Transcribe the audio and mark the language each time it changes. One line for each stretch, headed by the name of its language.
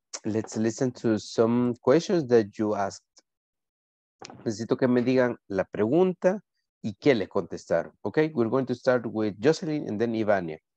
English: Let's listen to some questions that you asked.
Spanish: Necesito que me digan la pregunta y qué le contestaron.
English: Okay, we're going to start with Jocelyn and then Ivania.